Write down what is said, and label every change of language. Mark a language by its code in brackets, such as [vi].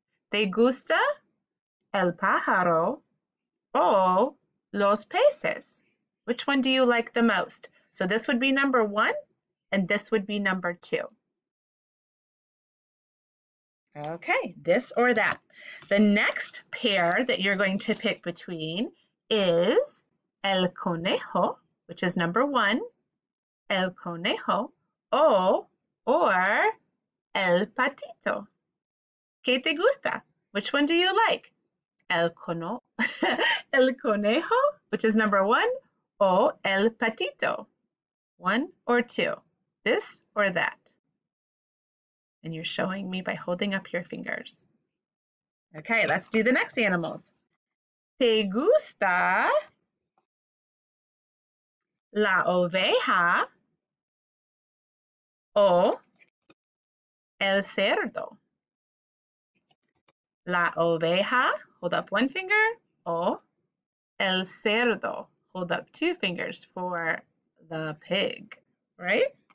[es] ¿Te gusta el pájaro o los peces? [en] Which one do you like the most? So this would be number one, and this would be number two. Okay, this or that. The next pair that you're going to pick between is el conejo, which is number one, el conejo, or el patito. [es] ¿Qué te gusta? [en] Which one do you like? El cono, el conejo, which is number one, or el patito? One or two? This or that? And you're showing me by holding up your fingers. Okay, let's do the next animals. [es] ¿Te gusta la oveja o el cerdo? [en] La oveja, hold up one finger, o el cerdo, hold up two fingers for the pig, right?